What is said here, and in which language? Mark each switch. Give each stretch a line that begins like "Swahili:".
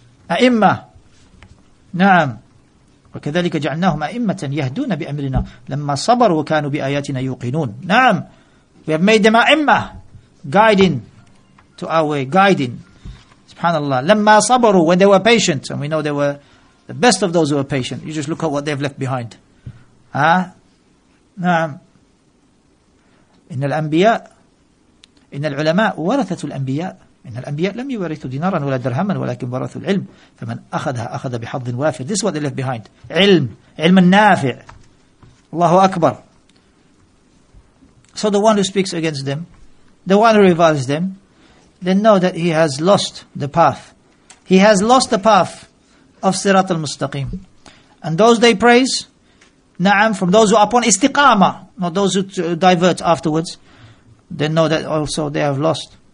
Arabic: A'immah. Naam. وَكَذَلِكَ جَعَلْنَاهُمْ أَئِمَّةً يَهْدُونَ بِأَمْرِنَا لَمَّا صَبَرُ وَكَانُوا بِآيَاتِنَا يُوقِنُونَ. Naam.
English: We have made them a'immah, guiding to our way, guiding. Subhanallah.
Arabic: لَمَّا صَبَرُوا,
English: when they were patient, and we know they were the best of those who are patient. You just look at what they've left behind. Huh? Naam.
Arabic: إن الأنبياء إن العلماء ورثة الأنبياء إن الأنبياء لم يورثوا دينارا ولا درهما ولكن ورثوا العلم فمن أخذها أخذ بحظ وافر.
English: This is what they left behind.
Arabic: علم. علم النافع. الله أكبر.
English: So the one who speaks against them, the one who reviles them, then know that he has lost the path. He has lost the path of Sirat al-Mustaqim. And those they praise, na'am, from those who are upon istiqamah, not those who divert afterwards, they know that also they have lost.